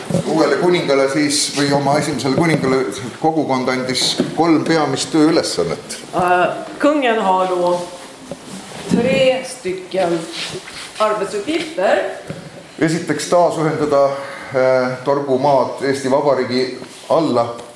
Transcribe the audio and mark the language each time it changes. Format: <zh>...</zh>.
<et>Uuele kuningale siis või oma esimesele kuningale kogukond andis 3 peamist tööülesannet.</et> <sv>Kungen har då 3 stycken arbetsuppgifter.</sv> <et>Esiteks taas ühendada Torgu maad Eesti Vabariigi alla.</et>